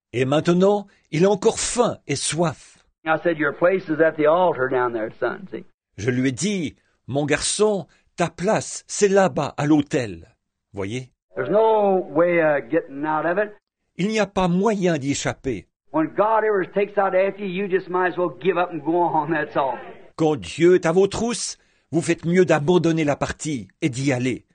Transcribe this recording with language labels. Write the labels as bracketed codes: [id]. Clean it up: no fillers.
[fr] Et maintenant, il a encore faim et soif. [en] I said, your place is at the altar down there, son. See? [fr] Je lui ai dit, mon garçon, ta place, c'est là-bas, à l'autel. Voyez? [en] There's no way of getting out of it. [fr] Il n'y a pas moyen d'y échapper. [en] When God ever takes out after you, you just might as well give up and go on, that's all. [fr] Quand Dieu est à vos trousses, vous faites mieux d'abandonner la partie et d'y aller.